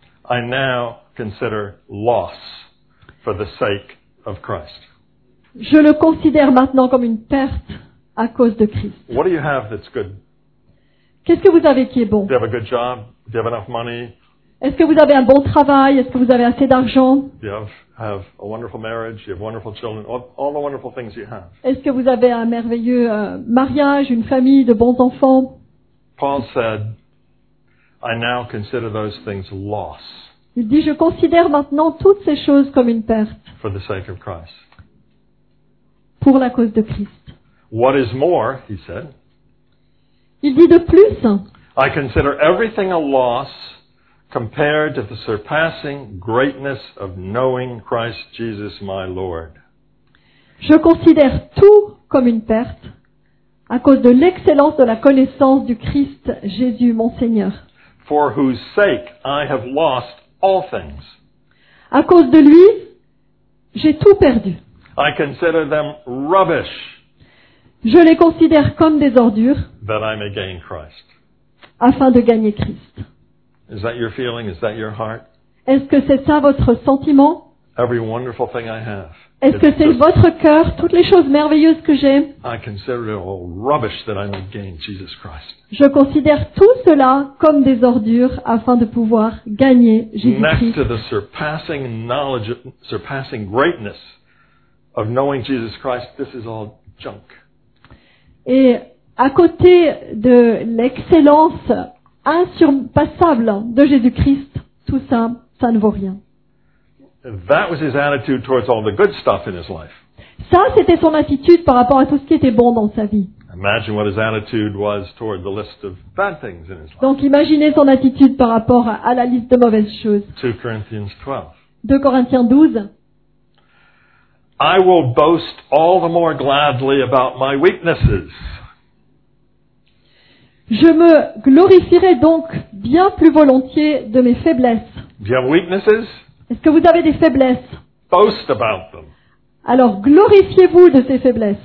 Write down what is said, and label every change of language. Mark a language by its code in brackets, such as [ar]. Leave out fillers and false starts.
[en] I now consider loss for the sake of Christ. [fr] Je le considère maintenant comme une perte à cause de Christ. [en] What do you have that's good? [fr] Qu'est-ce que vous avez qui est bon? [en] Do you have a good job? Do you have enough money? [fr] Est-ce que vous avez un bon travail? Est-ce que vous avez assez d'argent? [en] You have a wonderful marriage, you have wonderful children, all the wonderful things you have. [fr] Est-ce que vous avez un merveilleux mariage, une famille, de bons enfants? [en] Paul said, I now consider those things loss. [fr] Il dit, je considère maintenant toutes ces choses comme une perte. [en] For the sake of Christ. [fr] Pour la cause de Christ. [en] What is more, he said. [fr] Il dit de plus. [en] I consider everything a loss compared to the surpassing greatness of knowing Christ Jesus my Lord. [fr] Je considère tout comme une perte à cause de l'excellence de la connaissance du Christ Jésus mon Seigneur. [en] For whose sake I have lost all things. [fr] À cause de lui, j'ai tout perdu. [en] I consider them rubbish. [fr] Je les considère comme des ordures. [en] That I may gain Christ. [fr] Afin de gagner Christ. [en] Is that your feeling? Is that your heart? [fr] Est-ce que c'est ça votre sentiment? [en] Every wonderful thing I have. [fr] Est-ce que c'est votre cœur, toutes les choses merveilleuses que j'ai? [en] I consider it all rubbish that I may gain Jesus Christ. [fr] Je considère tout cela comme des ordures afin de pouvoir gagner Jésus-Christ. [en] Next to the surpassing knowledge, surpassing greatness of knowing Jesus Christ, this is all junk. [fr] Et à côté de l'excellence insurpassable de Jésus-Christ, tout ça, ça ne vaut rien. [en] That was his attitude towards all the good stuff in his life. [fr] Ça, c'était son attitude par rapport à tout ce qui était bon dans sa vie. [en] Imagine what his attitude was toward the list of bad things in his life. [fr] Donc, imaginez son attitude par rapport à la liste de mauvaises choses. [en] 2 Corinthians 12. [fr] 2 Corinthiens 12. [en] I will boast all the more gladly about my weaknesses. [fr] Je me glorifierai donc bien plus volontiers de mes faiblesses. [en] Your weaknesses? [fr] Est-ce que vous avez des faiblesses? [en] Boast about them. [fr] Alors glorifiez-vous de ces faiblesses.